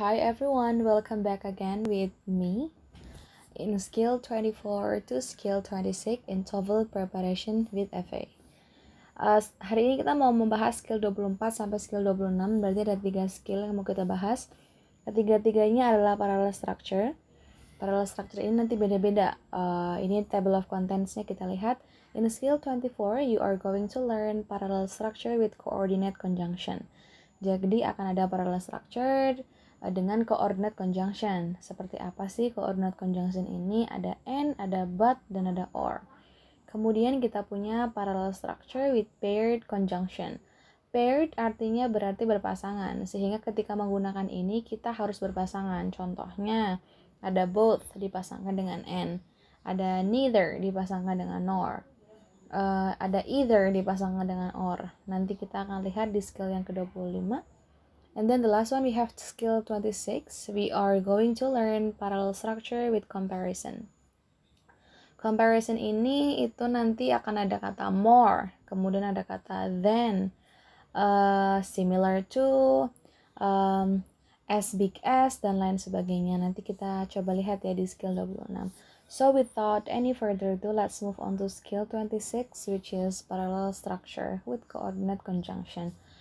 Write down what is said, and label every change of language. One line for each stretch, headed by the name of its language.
English: Hi everyone, welcome back again with me in skill 24 to skill 26 in TOEFL preparation with FA.
Indonesian: Hari ini kita mau membahas skill 24 sampai skill 26, berarti ada 3 skill yang mau kita bahas. Ketiga-tiganya adalah parallel structure. Parallel structure ini nanti beda-beda. Ini table of contents-nya kita lihat.
English: In skill 24, you are going to learn parallel structure with coordinate conjunction.
Indonesian: Jadi akan ada parallel structured dengan coordinate conjunction. Seperti apa sih coordinate conjunction ini? Ada and, ada but, dan ada or. Kemudian kita punya parallel structure with paired conjunction. Paired artinya berarti berpasangan. Sehingga ketika menggunakan ini kita harus berpasangan. Contohnya ada both dipasangkan dengan and, ada neither dipasangkan dengan nor. Ada either dipasangkan dengan or. Nanti kita akan lihat di skill yang ke-25.
English: And then the last one, we have skill 26. We are going to learn parallel structure with comparison.
Indonesian: Comparison ini itu nanti akan ada kata more, kemudian ada kata than, similar to, as big as, dan lain sebagainya. Nanti kita coba lihat ya di skill 26.
English: So without any further ado, let's move on to skill 26, which is parallel structure with coordinate conjunction.